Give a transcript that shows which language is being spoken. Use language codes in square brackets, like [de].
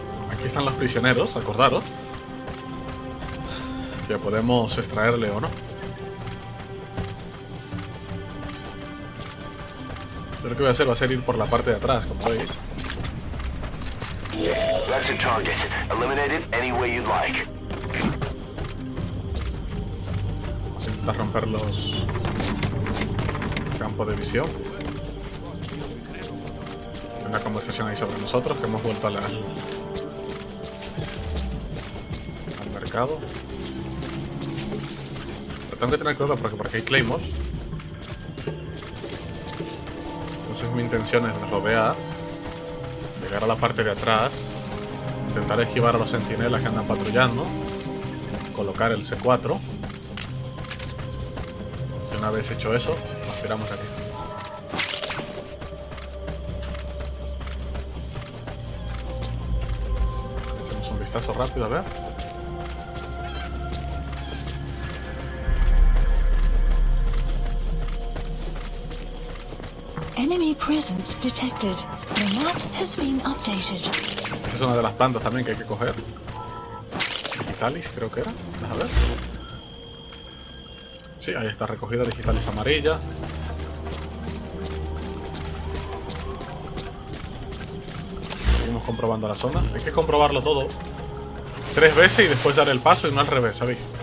[es] Aquí están los prisioneros, acordaros. Ya podemos extraerle o no. Lo que voy a hacer va a ser ir por la parte de atrás, como veis. [en] That's a target. Eliminate it any way you'd like. [es] A romper los campos de visión. Hay una conversación ahí sobre nosotros, que hemos vuelto al mercado. Pero tengo que tener cuidado porque por aquí hay claymores. Entonces mi intención es rodear, llegar a la parte de atrás, intentar esquivar a los sentinelas que andan patrullando, colocar el C4. Una vez hecho eso, nos tiramos aquí. vistazo rápido, a ver. [en] Enemy presence detected. The map has been updated. [es] Esa es una de las plantas también que hay que coger. Digitalis, creo que era. Vamos a ver. Sí, ahí está recogida Digitalis amarilla. Seguimos comprobando la zona. Hay que comprobarlo todo tres veces y después dar el paso y no al revés, ¿sabéis?